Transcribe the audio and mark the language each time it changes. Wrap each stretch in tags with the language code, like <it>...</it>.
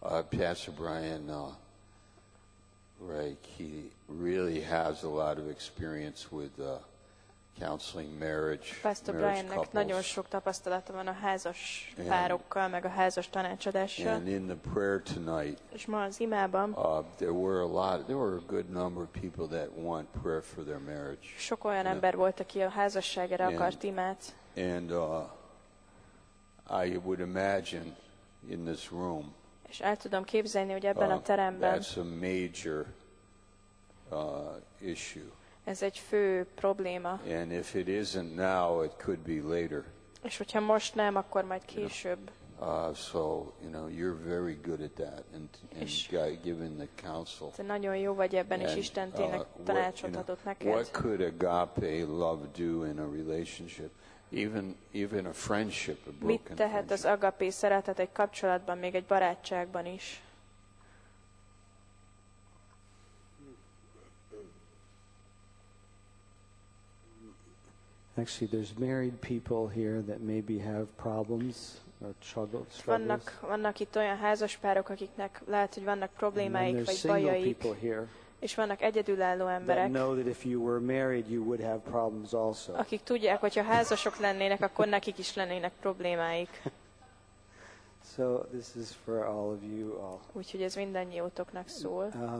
<en>Pastor Brian Reich, he really has a lot of experience with counseling marriage.</en> <hu>Pastor Brian-nek nagyon sok tapasztalata van a házas párokkal, meg a házas tanácsadással.</hu> <en>And in the prayer tonight,</en> <hu>és ma az imában,</hu> <en>there were a good number of people that want prayer for their marriage.</en> <hu>Sok olyan ember volt, aki a házasságra akart imát.</hu> <en>And I would imagine in this room,</en> <hu>és el tudom képzelni, hogy ebben a teremben</hu> <en>that's a major, issue.</en> <hu>Ez egy fő probléma.</hu> <en>And if it isn't now, it could be later.</en> <hu>És hogyha most nem, akkor majd később.</hu> <en>You're very good at that and giving the counsel.</en> <hu>Te nagyon jó vagy ebben, és Isten tényleg tanácsot adott neked.</hu> <en>What could agape love do in a relationship? Even a friendship, a broken friendship.</en> <hu>Mit tehet az agapé szeretet egy kapcsolatban, még egy barátságban is?</hu> <en>Actually, there's married people here that maybe have problems or struggles.</en> <hu>Vannak itt olyan házaspárok, akiknek lehet, hogy vannak problémáik vagy bajaik.</hu> <en>And then there's single people here.</en> <hu>És vannak egyedülálló emberek.</hu> <en>That know that if you were married, you would have problems also.</en> <hu>Akik tudják, hogy ha házasok lennének, akkor nekik is lennének problémáik.</hu> <en>So this is for all of you all.</en> <hu>Úgyhogy ez mindannyiótoknak szól.</hu>